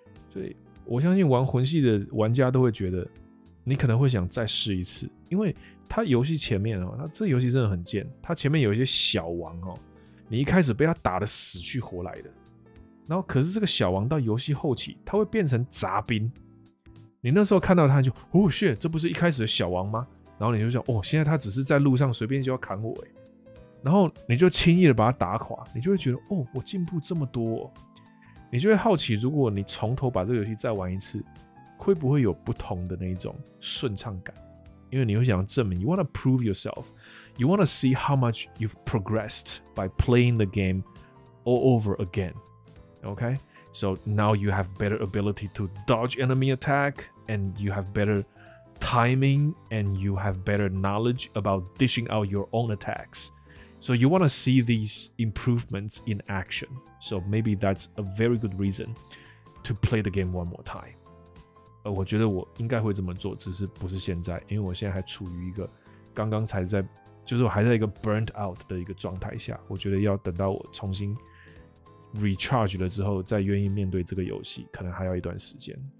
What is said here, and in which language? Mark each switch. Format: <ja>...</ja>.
<zh>所以我相信玩魂系的玩家都会觉得你可能会想再试一次，因为他游戏前面，他这游戏真的很贱，他前面有一些小王，你一开始被他打得死去活来的，然后可是这个小王到游戏后期他会变成杂兵，你那时候看到他就哦 shit， 这不是一开始的小王吗？然后你就想哦，现在他只是在路上随便就要砍我，然后你就轻易的把他打垮，你就会觉得哦，我进步这么多，你就会好奇，如果你从头把这个游戏再玩一次，会不会有不同的那一种顺畅感？因为你会想要证明</zh> <en>，you wanna prove yourself， you wanna see how much you've progressed by playing the game all over again， OK？ So now you have better ability to dodge enemy attack, and you have better timing, and you have better knowledge about dishing out your own attacks. So you want to see these improvements in action. So maybe that's a very good reason to play the game one more time.</en> <zh>我觉得我应该会这么做，只是不是现在，因为我现在还处于一个刚刚才在，就是我还在一个 burnt out 的一个状态下。我觉得要等到我重新recharge 了之后再愿意面对这个游戏可能还要一段时间。</zh>